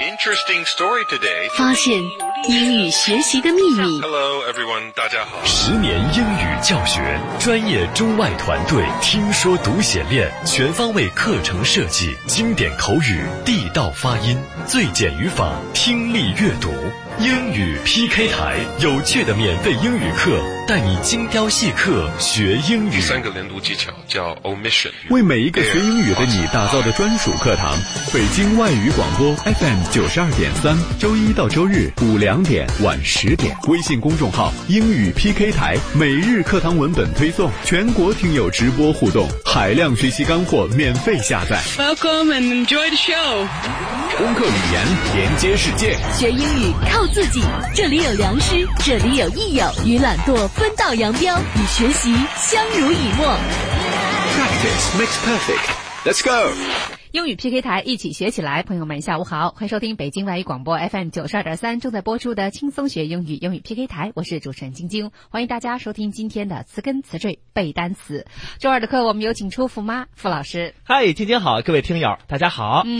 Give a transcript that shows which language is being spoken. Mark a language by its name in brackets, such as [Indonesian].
[English] Interesting story today. [Chinese] 发现英语学习的秘密。 [English] Hello, everyone, [Chinese] 大家好。十年英语教学，专业中外团队，听说读写练，全方位课程设计，经典口语，地道发音，最简语法，听力阅读。英语 PK 台，有趣的免费英语课，带你精雕细刻学英语。第三个连读技巧叫 omission，为每一个学英语的你打造的专属课堂。北京外语广播 FM 92.3，周一到周日2点到10点，微信公众号英语 PK 台，每日课堂文本推送，全国听友直播互动，海量学习干货免费下载。 [English] Welcome and enjoy the show。 [Chinese] 攻克语言，连接世界，学英语靠自己，这里有良师，这里有益友，与懒惰分道扬镳，与学习相濡以沫。 [English] Practice makes perfect. Let's go. [Chinese] 英语 PK 台，一起学起来。朋友们，下午好，欢迎收听北京外语广播 FM 92.3正在播出的轻松学英语英语 PK 台，我是主持人晶晶，欢迎大家收听今天的词根词缀背单词。周二的课，我们有请出傅妈傅老师。嗨，晶晶好，各位听友，大家好。